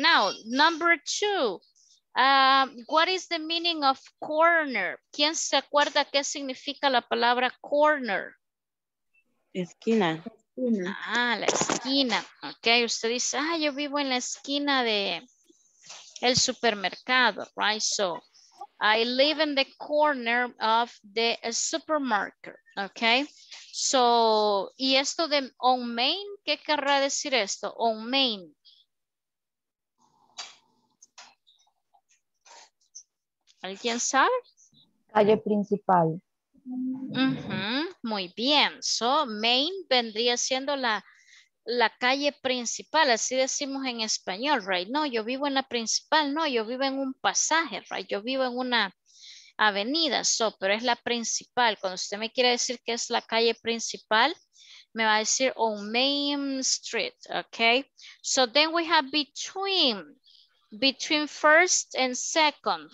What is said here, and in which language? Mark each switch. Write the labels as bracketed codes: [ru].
[en] Now, number 2, what is the meaning of corner? [es] ¿Quién se acuerda qué significa la palabra corner? Esquina. Ah, la esquina. Ok, usted dice, ah, yo vivo en la esquina de el supermercado, right? [en] So, I live in the corner of the supermarket, ok? [es] So, y esto de on Main, ¿qué querrá decir esto? [en] On Main. [es] ¿Alguien sabe? Calle principal. Uh-huh. Muy bien, so Main vendría siendo la calle principal, así decimos en español, right? No, yo vivo en la principal, no, yo vivo en un pasaje, right? Yo vivo en una avenida, so, pero es la principal. Cuando usted me quiere decir que es la calle principal, me va a decir [en] on Main Street, [es] ok? [en] So then we have between, between 1st and 2nd.